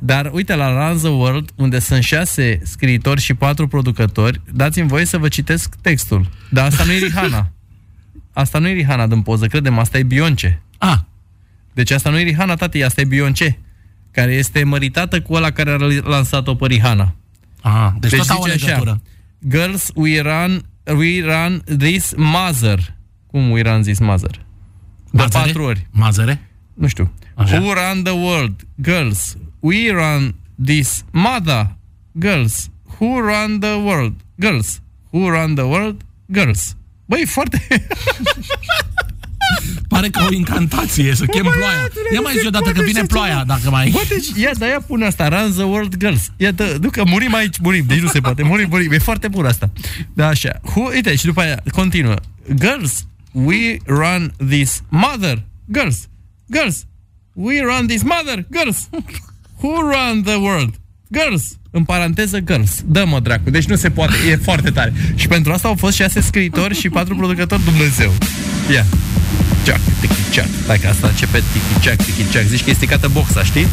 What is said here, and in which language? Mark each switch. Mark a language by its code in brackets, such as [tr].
[ro] Dar uite, la Run the World, unde sunt 6 scriitori și 4 producători, dați-mi voie să vă citesc textul. Dar asta nu e Rihanna. Asta nu e Rihanna din poză, credem, asta e Beyoncé. Ah. Deci asta nu e Rihanna, tate, asta e Beyoncé, care este măritată cu ăla care a lansat-o pe Rihanna. Ah, deci tot au legătură. Așa, [en] Girls, we run this mother. [ro] Cum [en] we run this mother? [ro] De 4 ori. Mazăre? Nu știu. Așa. [en] Who run the world? Girls. We run this mother. Girls. Who run the world? Girls. Who run the world? Girls. [ro] Băi, foarte... Pare că o incantație, să chem ploaia. Ia mai zi odată că vine ploaia, dacă mai... Ia pune asta, Run the World Girls. Ia, nu că murim aici, murim, deci nu se poate. Murim, e foarte bun asta. Da, așa. Uite, și după aia, continuă. [en] Girls, we run this mother. Girls, we run this mother. Girls, who run the world? [ro] Girls, în paranteză, girls. Dă-mă, dracu, deci nu se poate, e foarte tare. Și pentru asta au fost 6 scriitori și 4 producători, Dumnezeu. Ia. Yeah. Chak, tiki chak. Hai că asta începe tiki chak, tiki chak. Zici că este cată boxa, știi?